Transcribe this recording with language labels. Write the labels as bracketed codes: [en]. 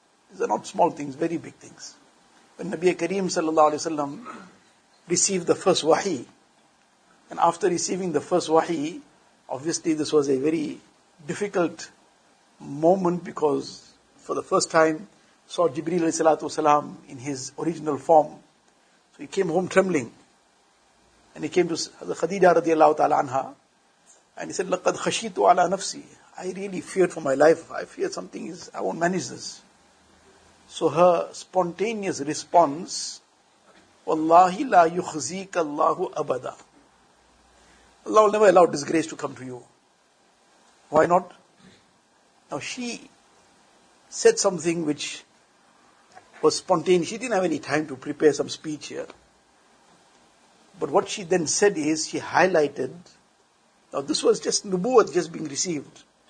[en] These are not small things, very big things. When Nabi Kareem sallallahu alayhi wa sallam received the first wahi, and after receiving the first wahi, obviously this was a very difficult moment, because for the first time saw Jibreel sallallahu alayhi wa sallam in his original form. So he came home trembling, and he came to Khadija radiallahu ta'ala anha, and he said, [ar] لَقَدْ خَشِيتُ عَلَىٰ نَفْسِي. [en] I really feared for my life. I feared something is, I won't manage this. So her spontaneous response, [ar] وَاللَّهِ لَا يُخْزِيكَ اللَّهُ أَبَدًا. [en] Allah will never allow disgrace to come to you. Why not? Now she said something which was spontaneous. She didn't have any time to prepare some speech here. But what she then said is, she highlighted, now this was just Nubuwwat just being received.